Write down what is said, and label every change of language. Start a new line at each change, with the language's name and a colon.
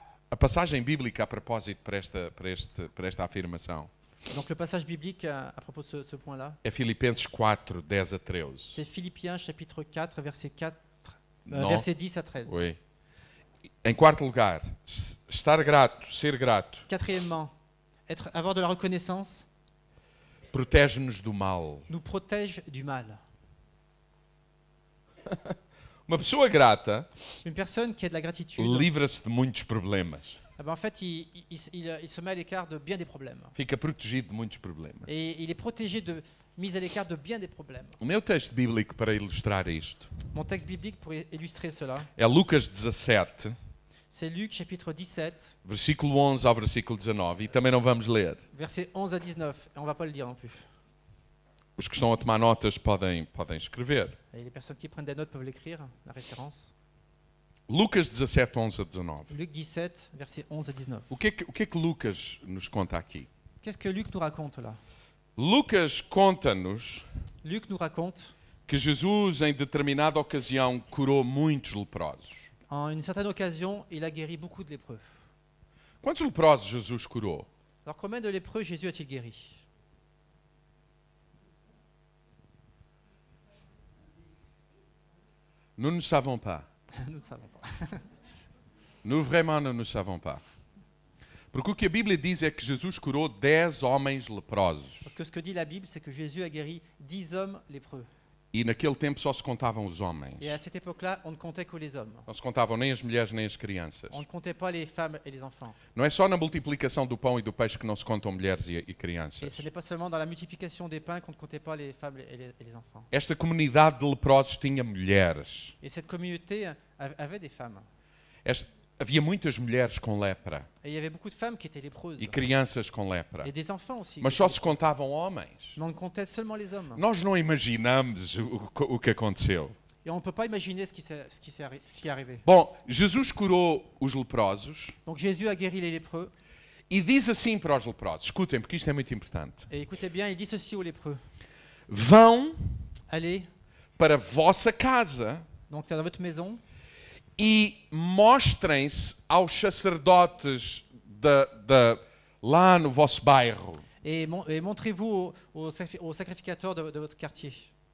Portuguese: A passagem bíblica a propósito para esta afirmação.
French: Donc le passage biblique à propos de ce point-là.
Portuguese: É Filipenses 4, 10 a 13.
French: C'est Philippiens chapitre 4 verset 10 à 13. Oui.
Portuguese: Em quarto lugar, estar grato, ser grato.
French: Quatrièmement, avoir de la reconnaissance.
Portuguese: Protege-nos do mal.
French: Nous protège du mal.
Portuguese: Uma pessoa grata,
French: une personne qui a de la gratitude,
Portuguese: livra-se de muitos problemas.
French: Il se met à l'écart de bien des problèmes.
Portuguese: Fica protegido de muitos problemas.
French: Et il est protégé de mise à l'écart de bien des problèmes.
Portuguese: O meu texto bíblico para ilustrar isto.
French: Mon texte biblique pour illustrer cela.
Portuguese: É Lucas 17.
French: C'est Luc chapitre 17.
Portuguese: Versículo 11 ao versículo 19 e também não vamos ler.
French: Verset 11 à 19, et on va pas le lire non plus.
Portuguese: Os que estão a tomar notas podem escrever.
French: Et les personnes qui prennent des notes peuvent l'écrire, la référence.
Portuguese: Lucas 17, 11 a 19.
French: Luc 17, versets 11 à 19.
Portuguese: O que é que Lucas nos conta aqui?
French: Qu'est-ce que Luc nous raconte là?
Portuguese: Lucas conta-nos.
French: Luc nous raconte
Portuguese: que Jesus em determinada ocasião curou muitos leprosos.
French: En une certaine occasion, il a guéri beaucoup de lépreux.
Portuguese: Quantos leprosos Jesus curou?
French: Alors combien de lépreux Jésus a-t-il guéri? Nous ne savons pas. Nous ne savons pas. Nous vraiment ne savons pas.
Portuguese: Porque o que a Bíblia diz é que Jesus curou 10 homens leprosos.
French: Parce que ce que dit la Bible, c'est que Jésus a guéri 10 hommes lépreux.
Portuguese: E naquele tempo só se contavam os homens.
French: Et à cette époque-là, on ne comptait que les hommes.
Portuguese: Não se contavam nem as mulheres nem as crianças.
French: On ne comptait pas les femmes et les enfants.
Portuguese: Não é só na multiplicação do pão e do peixe que não se contam mulheres e crianças.
French: Et ce n'est pas seulement dans la multiplication des pains qu'on ne comptait pas les femmes et les enfants.
Portuguese: Esta comunidade de leprosos tinha mulheres.
French: Et cette communauté avait des femmes.
Portuguese: Havia muitas mulheres com lepra.
French: Et il y avait beaucoup de femmes qui étaient lépreuses.
Portuguese: E crianças com lepra.
French: Et des enfants aussi.
Portuguese: Mas só se contavam homens.
French: Mais on comptait seulement les hommes.
Portuguese: Nós não imaginamos o que aconteceu.
French: Et on ne peut pas imaginer ce qui est arrivé.
Portuguese: Bon, Jesus curou os leprosos.
French: Donc Jésus a guéri les lépreux.
Portuguese: E diz assim para os leprosos. Escutem, porque isto é muito importante.
French: Et écoutez bien, il dit ceci aux lépreux.
Portuguese: Vão.
French: Allez.
Portuguese: Para vossa casa.
French: Donc dans votre maison.
Portuguese: E mostrem-se aos sacerdotes de lá no vosso bairro.
French: E montrez-vous aux sacrificateurs de votre quartier.